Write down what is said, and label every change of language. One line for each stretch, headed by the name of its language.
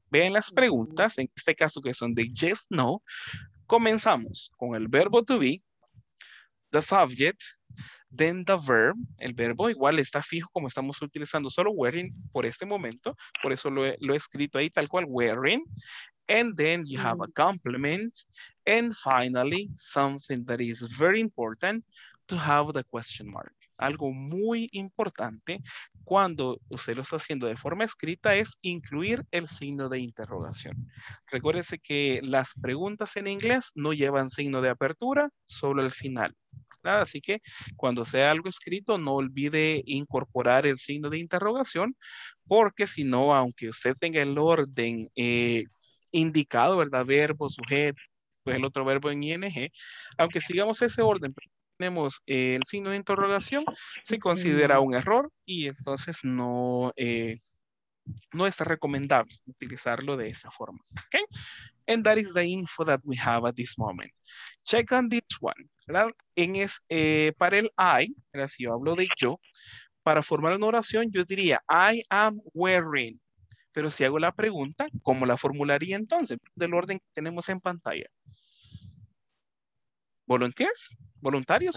Spanish: Vean las preguntas, en este caso que son de yes, no. Comenzamos con el verbo
English: to be, the subject, then the verb.
Spanish: El verbo igual está fijo como estamos utilizando solo wearing por este momento. Por eso lo he escrito ahí tal cual, wearing.
English: And then you have a complement. And finally, something that is very important, to have the question mark.
Spanish: Algo muy importante cuando usted lo está haciendo de forma escrita es incluir el signo de interrogación. Recuérdese que las preguntas en inglés no llevan signo de apertura, solo el final. ¿Verdad? Así que cuando sea algo escrito, no olvide incorporar el signo de interrogación, porque si no, aunque usted tenga el orden indicado, ¿verdad? Verbo, sujeto, pues el otro verbo en ING, aunque sigamos ese orden, tenemos el signo de interrogación, se considera un error y entonces no es recomendable utilizarlo de esa forma.
English: Okay? And that is the info that we have at this moment. Check on this one.
Spanish: En para el I, si yo hablo de yo, para formar una oración yo diría
English: I am wearing.
Spanish: Pero si hago la pregunta, ¿cómo la formularía entonces? Del orden que tenemos en pantalla.
English: Volunteers. Voluntarios,